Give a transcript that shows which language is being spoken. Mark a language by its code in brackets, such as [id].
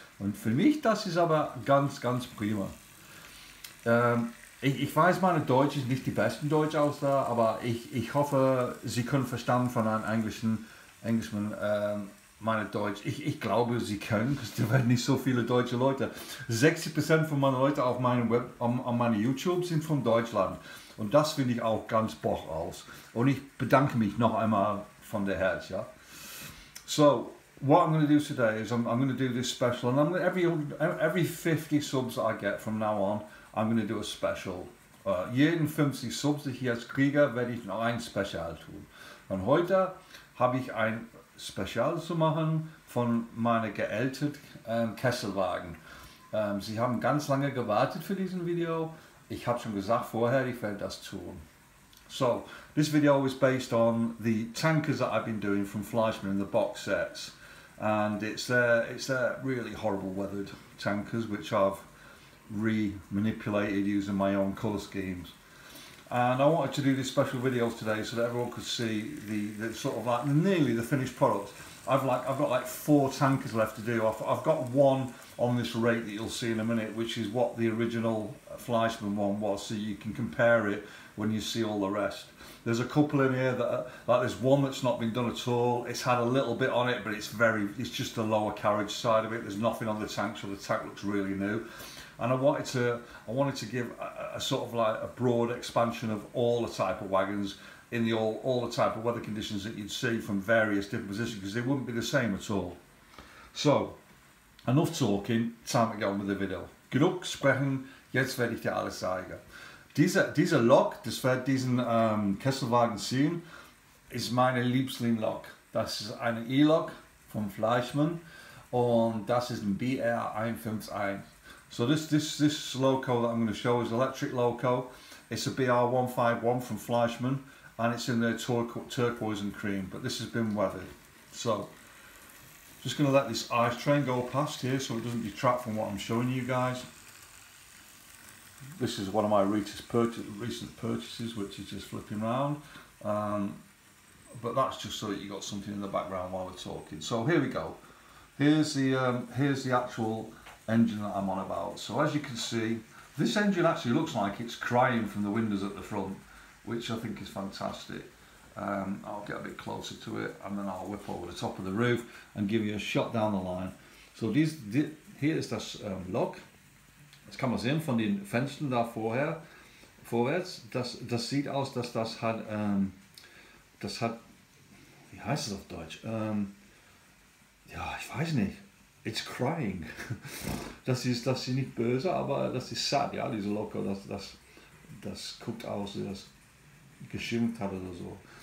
[de] Und für mich, das ist aber ganz, ganz prima. Ich weiß, meine Deutsch ist nicht die beste Deutsch aus da, aber ich hoffe, Sie können verstanden von einem Englischmann meine Deutsch. Ich glaube, Sie können, weil es werden nicht so viele deutsche Leute. 60% von meinen Leuten auf meinem Web, an meinem YouTube sind von Deutschland. Und das finde ich auch ganz Bock aus. Und ich bedanke mich noch einmal von der Herz, ja. [en] So, what I'm going to do today is I'm going to do this special. And every 50 subs that I get from now on, I'm going to do a special. [de] Jeden 50 Subs, die ich jetzt kriege, werde ich noch ein Special tun. Und heute habe ich ein Special zu machen von meiner geälteten Kesselwagen. Sie haben ganz lange gewartet für diesen Video. Ich habe schon gesagt vorher, ich werde das tun. [en] So, this video is based on the tankers that I've been doing from Fleischmann in the box sets. And it's their really horrible weathered tankers, which I've re-manipulated using my own colour schemes. And I wanted to do this special video today so that everyone could see the sort of like nearly the finished product. I've got like four tankers left to do. I've got one on this rate that you'll see in a minute, which is what the original Fleischmann one was, so you can compare it when you see all the rest. There's a couple in here that are, like there's one that's not been done at all. It's had a little bit on it, but it's just the lower carriage side of it. There's nothing on the tank, so the tank looks really new. And I wanted to give a sort of like a broad expansion of all the type of wagons in all the type of weather conditions that you'd see from various different positions, because they wouldn't be the same at all. So, enough talking, time to get on with the video. [de] Genug sprechen, jetzt werde ich dir alles zeigen. Dieser Lok, das wird diesen Kesselwagen sehen, ist meine Lieblingslok. Das ist eine E-Lok von Fleischmann und das ist ein BR151. [en] So this loco that I'm going to show is electric loco. It's a BR151 from Fleischmann, and it's in their turquoise and cream, but this has been weathered. So just going to let this ice train go past here so it doesn't detract from what I'm showing you guys. This is one of my recent purchases, which is just flipping around. But that's just so that you got something in the background while we're talking. So here we go. Here's the actual engine that I'm on about. So as you can see, this engine actually looks like it's crying from the windows at the front, which I think is fantastic. I'll get a bit closer to it and then I'll whip over the top of the roof and give you a shot down the line. So here's this lock. It's comes in from the [de] Fenster da vorwärts. Das sieht aus, dass das hat, das hat, wie heißt es auf Deutsch? Ja, ich weiß nicht. [en] It's crying. [de] Das ist nicht böse, aber das ist sad, ja, diese Locker, das guckt aus, wie das geschimmt hat oder so.